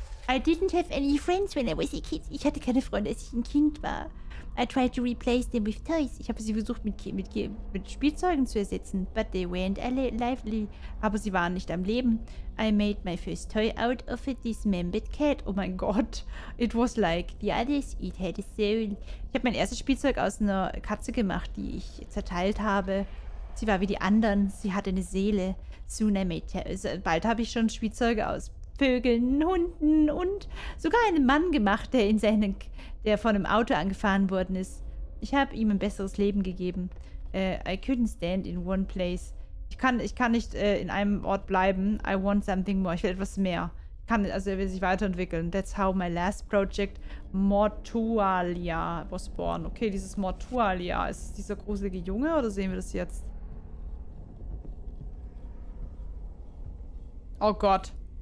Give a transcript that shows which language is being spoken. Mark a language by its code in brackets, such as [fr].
[en] I didn't have any friends when I was a kid. [de] Ich hatte keine Freunde, als ich ein Kind war. [en] I tried to replace them with toys. [de] Ich habe sie versucht, mit Spielzeugen zu ersetzen. [en] But they weren't lively. [de] Aber sie waren nicht am Leben. [en] I made my first toy out of a dismembered cat. [de] Oh mein Gott. [en] It was like the others. It had a soul. [de] Ich habe mein erstes Spielzeug aus einer Katze gemacht, die ich zerteilt habe. Sie war wie die anderen. Sie hatte eine Seele. [en] Soon I made her. [de] Also bald habe ich schon Spielzeuge aus Vögeln, Hunden und sogar einen Mann gemacht, der von einem Auto angefahren worden ist. Ich habe ihm ein besseres Leben gegeben. [en] I couldn't stand in one place. [de] Ich kann nicht in einem Ort bleiben. [en] I want something more. [de] Ich will etwas mehr. Er will sich weiterentwickeln. [en] That's how my last project, Mortualia, was born. [de] Okay, dieses Mortualia. Ist es dieser gruselige Junge oder sehen wir das jetzt? Oh Gott.